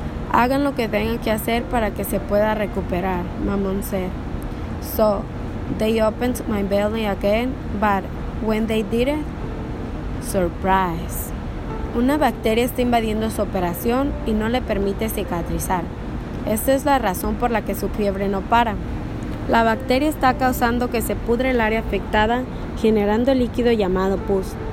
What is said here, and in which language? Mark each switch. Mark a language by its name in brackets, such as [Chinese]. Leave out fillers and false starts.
[Spanish] Hagan lo que tengan que hacer para que se pueda recuperar, [English] my mom said. So, they opened my belly again, but when they did it, surprise. [Spanish] Una bacteria está invadiendo su operación y no le permite cicatrizar. Esta es la razón por la que su fiebre no para. La bacteria está causando que se pudre el área afectada, generando el líquido llamado pus.